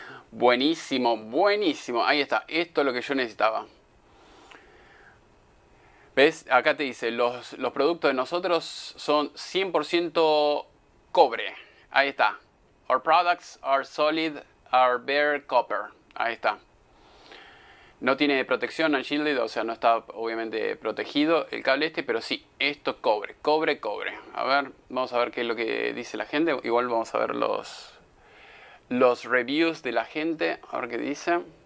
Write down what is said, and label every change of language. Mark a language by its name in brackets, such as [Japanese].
[Spanish] Buenísimo, buenísimo. Ahí está, esto es lo que yo necesitaba. ¿Ves? Acá te dice, los productos de nosotros son 100% cobre. Ahí está. [English] Our products are solid, are bare copper. [Spanish] Ahí está. No tiene protección, unshielded, o sea, no está obviamente protegido el cable este, pero sí, esto es cobre, cobre, cobre. A ver, vamos a ver qué es lo que dice la gente. Igual vamos a ver los reviews de la gente, a ver qué dice.